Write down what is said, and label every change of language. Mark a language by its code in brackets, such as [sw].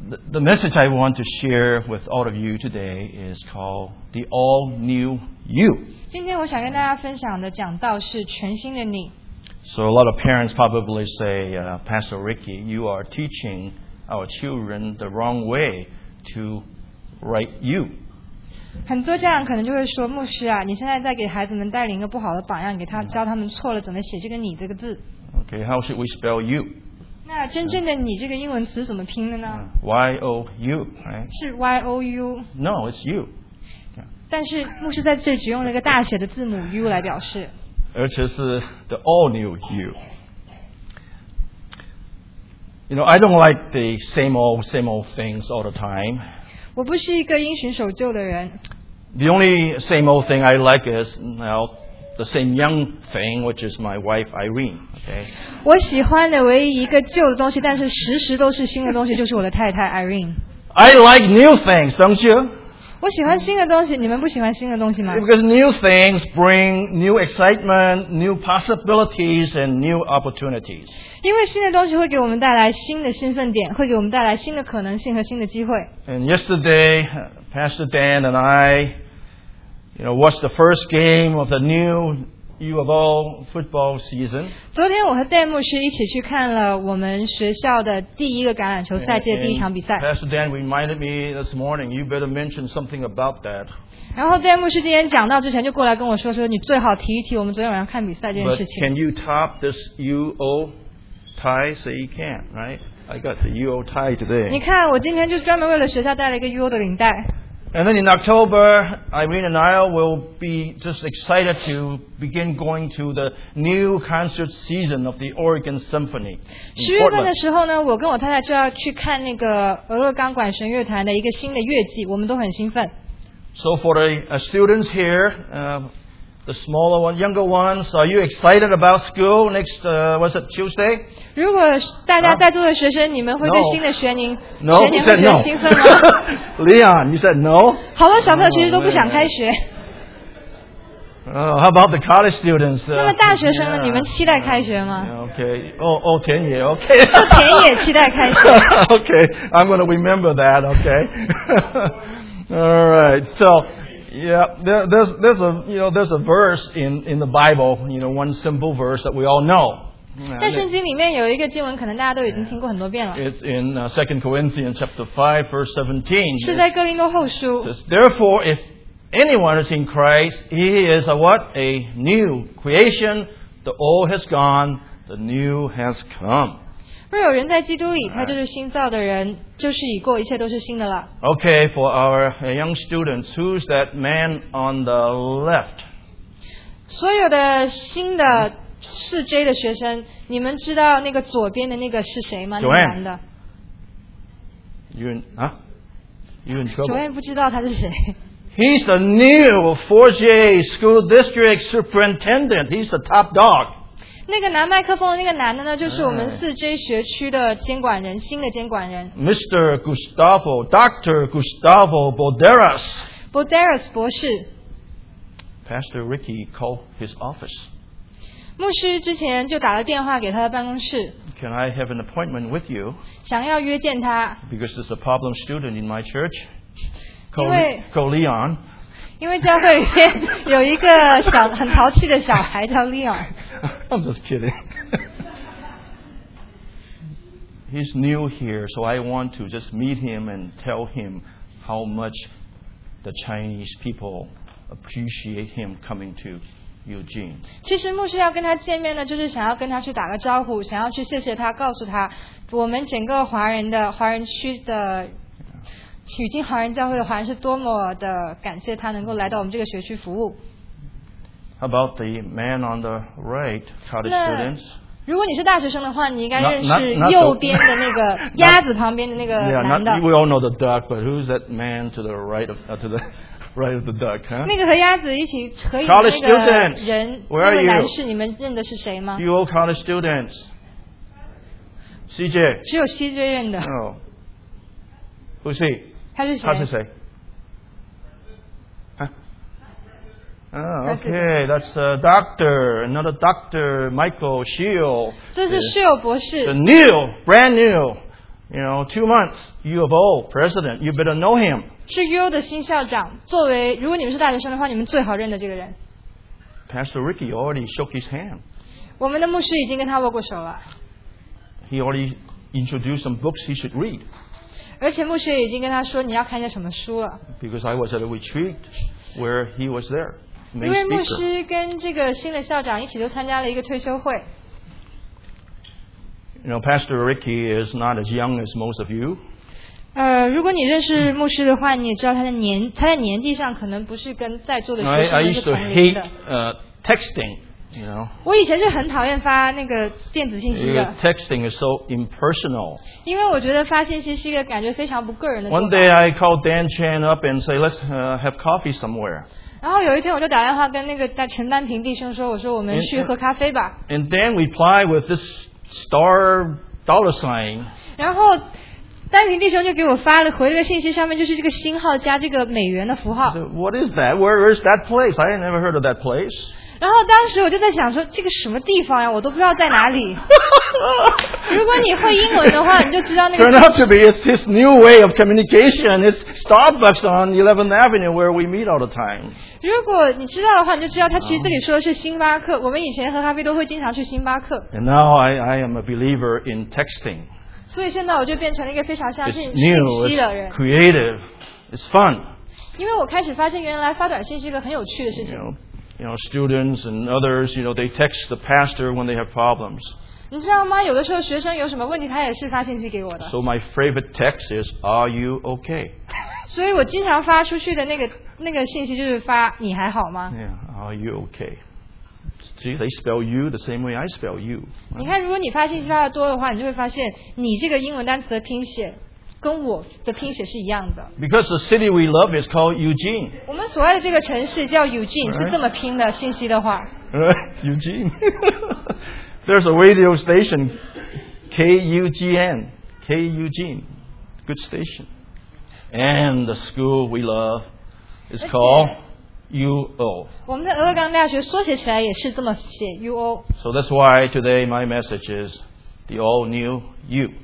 [en] The message I want to share with all of you today is called The All New You. [zh] 今天我想跟大家分享的讲道是全新的你。 [en] So a lot of parents probably say, Pastor Ricky, you are teaching our children the wrong way to write you. [zh] 很多家长可能就会说，牧师啊，你现在在给孩子们带领一个不好的榜样，给他教他们错了怎么写这个你这个字。 [en] Okay, how should we spell you? [zh] 那真正的你这个英文词怎么拼的呢？ [en] Y-O-U, right? [zh] 是 Y-O-U? [en] No, it's U. [zh] 但是牧师在这只用了一个大写的字母 U 来表示。而且是 [en] the all new U. You know, I don't like the same old things all the time. [zh] 我不是一个因循守旧的人。 [en] The only same old thing I like is, now, the same young thing, which is my wife Irene. Okay. [zh] 我喜欢的唯一一个旧的东西，但是时时都是新的东西，就是我的太太 Irene. [en] I like new things, don't you? [zh] 我喜欢新的东西，你们不喜欢新的东西吗？ [en] Because new things bring new excitement, new possibilities, and new opportunities. [zh] 因为新的东西会给我们带来新的兴奋点，会给我们带来新的可能性和新的机会。 [en] And yesterday, Pastor Dan and I, you know, watched the first game of the new U of O football season. [zh] 昨天我和 Dan 牧师一起去看了我们学校的第一个橄榄球赛季的第一场比赛。 [en] Pastor Dan reminded me this morning, you better mention something about that. [zh] 然后 Dan 牧师今天讲到之前就过来跟我说，说你最好提一提我们昨天晚上看比赛这件事情。 [en] But can you top this U O tie? Say you can't, right? I got the U O tie today. [zh] 你看我今天就专门为了学校带了一个 U O 的领带。 [en] And then in October, Irene and I will be just excited to begin going to the new concert season of the Oregon Symphony. [zh] 十月份的时候呢，我跟我太太就要去看那个俄勒冈管弦乐团的一个新的乐季，我们都很兴奋。 [en] So for the students here, the smaller ones, younger ones, are you excited about school next, what's it, Tuesday? [zh] 如果大家在座的学生，你们会对新的学年， [en] no, [zh] 学年会很兴奋吗 [en] ？Leon, you said no. [zh] 好多小朋友其实都不想开学。 [en] How about the college students? [zh] 那么大学生呢？你们期待开学吗 [en] ？Okay, 哦，田野 ，Okay. [zh] 哦，田野期待开学。 [en] Okay, I'm going to remember that. Okay. All right, so. Yeah, there's a verse in the Bible, you know, one simple verse that we all know. [zh] 在圣经里面有一个经文，可能大家都已经听过很多遍了。 [en] It's in 2 Corinthians chapter 5, verse 17. [zh] 是在哥林多后书。 [en] It says, therefore, if anyone is in Christ, he is a what? A new creation. The old has gone, the new has come. [zh] 若有人在基督里，他就是新造的人，就是已过，一切都是新的了。 [en] Okay, for our young students, who's that man on the left? [zh] 所有的新的四 J 的学生，你们知道那个左边的那个是谁吗？ [en] Joanne. [zh] 那个男的。 [en] You in trouble? [zh] 不知道他是谁。 [en] He's the new 4J school district superintendent. He's the top dog. [zh] 那个拿麦克风的那个男的呢，就是我们四 J 学区的监管人，新的监管人。 [en] Mr. Gustavo, Dr. Gustavo Borderas. [zh] Borderas 博士。 [en] Pastor Ricky called his office. [zh] 牧师之前就打了电话给他的办公室。 [en] Can I have an appointment with you? [zh] 想要约见他。 [en] Because there's a problem student in my church. [zh] 因为 [en] call Leon. [zh] 因为教会里面有一个小很淘气的小孩叫 Leon。 [en] I'm just kidding. He's new here, so I want to just meet him and tell him how much the Chinese people appreciate him coming to Eugene. [zh] 其实牧师要跟他见面呢，就是想要跟他去打个招呼，想要去谢谢他，告诉他我们整个华人区的取经华人教会的华人是多么的感谢他能够来到我们这个学区服务。 [en] About the man on the right, college students. [zh] 如果你是大学生的话，你应该认识右边的那个鸭子旁边的那个男的。 [en] Yeah, we all know the duck, but who's that man to the right of to the right of the duck? Huh? [zh] 那个和鸭子一起合影的那个人，那个男士，你们认的是谁吗 [en] ？You all college students. CJ. [zh] 只有 CJ 认的。 [en] Oh. Who's he? [zh] 他是谁？他是谁？ [en] Okay, that's a doctor, another doctor, Michael Shiel. [zh] 这是 Shiel 博士。 [en] The new, brand new, you know, 2 months, U of O president, you better know him. [zh] 是 U 的新校长，作为，如果你们是大学生的话，你们最好认得这个人。 [en] Pastor Ricky already shook his hand. [zh] 我们的牧师已经跟他握过手了。 [en] He already introduced some books he should read. [zh] 而且牧师已经跟他说你要看一下什么书了。 [en] Because I was at a retreat where he was there. [zh] 因为牧师跟这个新的校长一起都参加了一个退休会。 [en] You know, Pastor Ricky is not as young as most of you. [zh] 如果你认识牧师的话，你也知道他在年纪上可能不是跟在座的学生同龄的。 [en] I used to hate texting. You know, [zh] 我以前是很讨厌发那个电子信息的。 [en] Texting is so impersonal. [zh] 因为我觉得发信息是一个感觉非常不个人的。 [en] One day I called Dan Chan up and say, "Let's have coffee somewhere." [zh] 然后有一天我就打电话跟那个陈丹平弟兄说，我说我们去喝咖啡吧。 [en] And Dan replied with this star dollar sign. [zh] 然后丹平弟兄就给我发了回了个信息，上面就是这个星号加这个美元的符号。 [en] What is that? Where is that place? I never heard of that place. [zh] 然后当时我就在想说这个什么地方呀，我都不知道在哪里。如果你会英文的话，你就知道那个。 [en] Turned out to be it's his new way of communication. It's Starbucks on 11th Avenue where we meet all the time. [zh] 如果你知道的话，你就知道他其实这里说的是星巴克。我们以前喝咖啡都会经常去星巴克。 [en] And now I am a believer in texting. [zh] 所以现在我就变成了一个非常相信信息的人。 [en] It's new. It's creative. It's fun. [zh] 因为我开始发现原来发短信是一个很有趣的事情。 [en] You know, students and others, you know, they text the pastor when they have problems. [zh] 你知道吗？有的时候学生有什么问题，他也是发信息给我的。 [en] So my favorite text is, "Are you okay?" [zh] 所以我经常发出去的那个信息就是发你还好吗 [en] ？Yeah, are you okay? See, they spell you the same way I spell you. [zh] 你看，如果你发信息发的多的话，你就会发现你这个英文单词的拼写。跟我的拼写是一样的。 [en] Because the city we love is called Eugene. [zh] 我们所爱的这个城市叫 Eugene， 是这么拼的。信息的话 [en] ，Eugene. There's a radio station, KUGN, K Eugene, good station. And the school we love is called UO. [zh] 我们的俄勒冈大学缩写起来也是这么写 UO. [en] So that's why today my message is the all new you.